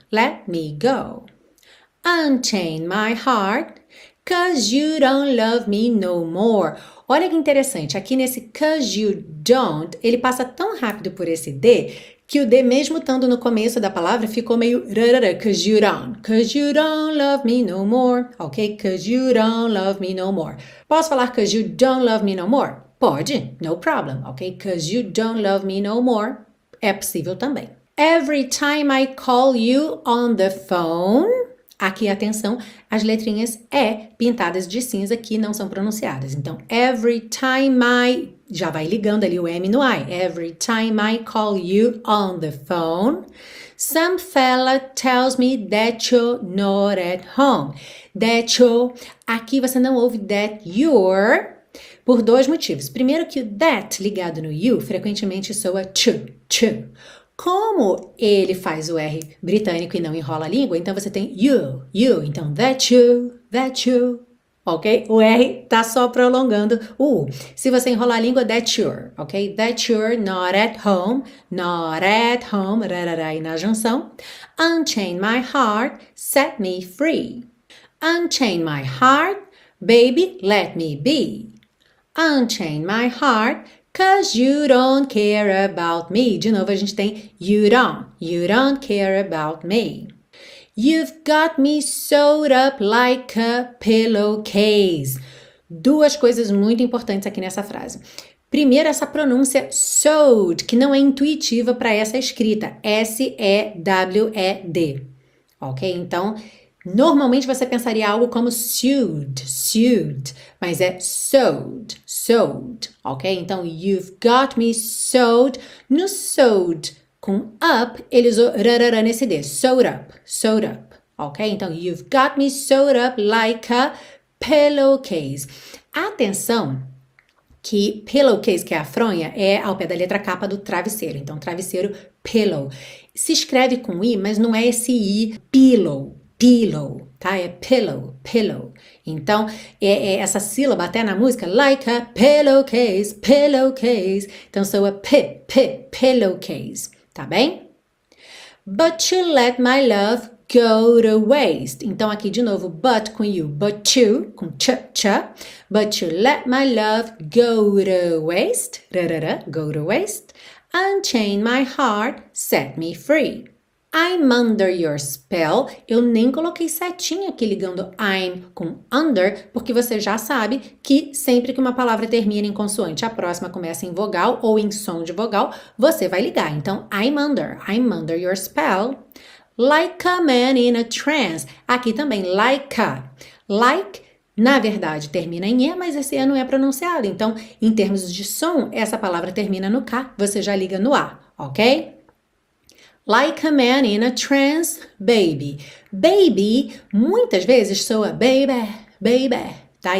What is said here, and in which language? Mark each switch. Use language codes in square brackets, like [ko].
[en] Let me go. Unchain my heart, 'cause you don't love me no more. [pt] Olha que interessante, aqui nesse 'cause you don't, ele passa tão rápido por esse D que o D, mesmo estando no começo da palavra, ficou meio [en] 'cause you don't love me no more. [pt] Ok? [en] 'Cause you don't love me no more. [pt] Posso falar [en] 'cause you don't love me no more? [pt] Pode, [en] no problem. Ok? 'Cause you don't love me no more. [pt] É possível também. [en] Every time I call you on the phone. [pt] Aqui, atenção, as letrinhas E pintadas de cinza que não são pronunciadas. Então, [en] every time I. [pt] Já vai ligando ali o M no I. [en] Every time I call you on the phone, some fella tells me that you're not at home. That you. [pt] Aqui você não ouve that you're. Por dois motivos. Primeiro, que o that ligado no you frequentemente soa to, to. Como ele faz o R britânico e não enrola a língua, então você tem you, então [en] that you, [pt] ok? O R tá só prolongando o U. Se você enrolar a língua, [en] that you're, [pt] ok? [en] That you're not at home, not at home, [pt] rarará aí na junção. [en] Unchain my heart, set me free. Unchain my heart, baby, let me be. Unchain my heart, 'cause you don't care about me. [pt] De novo, a gente tem [en] you don't care about me. You've got me sewed up like a pillowcase. [pt] Duas coisas muito importantes aqui nessa frase. Primeiro, essa pronúncia sewed, que não é intuitiva para essa escrita. Sewed. Ok? Então, normalmente você pensaria algo como sued, sued, mas é sewed, sewed, ok? Então, [en] you've got me sewed. [pt] No sewed com up, ele usou rarara nesse D, sewed up, ok? [en] Então, you've got me sewed up like a pillowcase. [pt] Atenção, que pillowcase, que é a fronha, é ao pé da letra capa do travesseiro. Então, travesseiro, pillow. Se escreve com I, mas não é esse I, pillow. Pillow, tá? É pillow, pillow. Então, essa sílaba até na música, [en] like a pillowcase, pillowcase. [pt] Então, soa p, pillowcase, tá bem? [en] But you let my love go to waste. [pt] Então, aqui de novo, but com you, [en] but you, [pt] com ch. [en] But you let my love go to waste, rarara, go to waste. Unchain my heart, set me free. I'm under your spell. [pt] Eu nem coloquei setinha aqui ligando I'm com under, porque você já sabe que sempre que uma palavra termina em consoante, a próxima começa em vogal ou em som de vogal, você vai ligar. [en] Então, I'm under your spell. Like a man in a trance. [pt] Aqui também, [en] like a. [pt] Like, na verdade, termina em E, mas esse E não é pronunciado. Então, em termos de som, essa palavra termina no K, você já liga no A, ok? [en] Like a man in a trance, baby. Baby, [pt] muitas vezes soa [en] baby, baby, tá?